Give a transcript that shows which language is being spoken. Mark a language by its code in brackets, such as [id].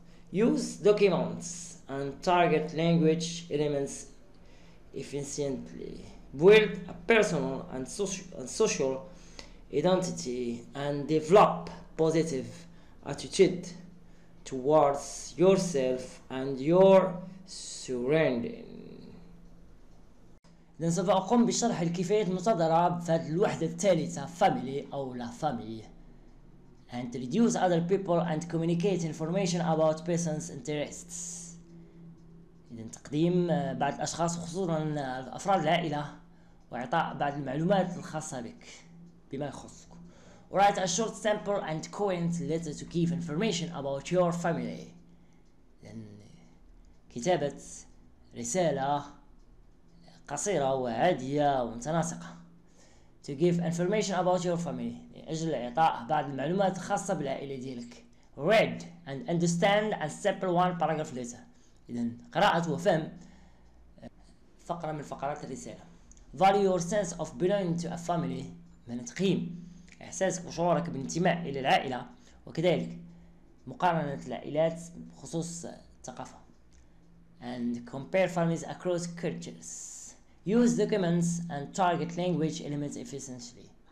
[en] Use documents and target language elements efficiently. Build a personal and social identity and develop positive attitude towards yourself and your surrounding. [ar] إذن سوف أقوم بشرح الكفايات المتضاربة في الوحدة الثالثة family أو la famille. [en] And introduce other people and communicate information about persons' interests. [ar] إذن تقديم بعض الأشخاص خصوصا أفراد العائلة وإعطاء بعض المعلومات الخاصة بك بما يخصك. [en] Write a short sample and coherent letter to give information about your family. [ar] لأن كتابة رسالة قصيرة وعادية ومتناسقة. [en] To give information about your family. [ar] لأجل إعطاء بعض المعلومات الخاصة بالعائلة ديالك. [en] Read and understand a simple one paragraph letter. [ar] إذن قراءة وفهم فقرة من فقرات الرسالة. [en] Value your sense of belonging to a family. [ar] من تقييم إحساسك وشعورك بالانتماء إلى العائلة، وكذلك مقارنة العائلات بخصوص الثقافة. [en] And compare families across cultures. Use documents and target language elements efficiently.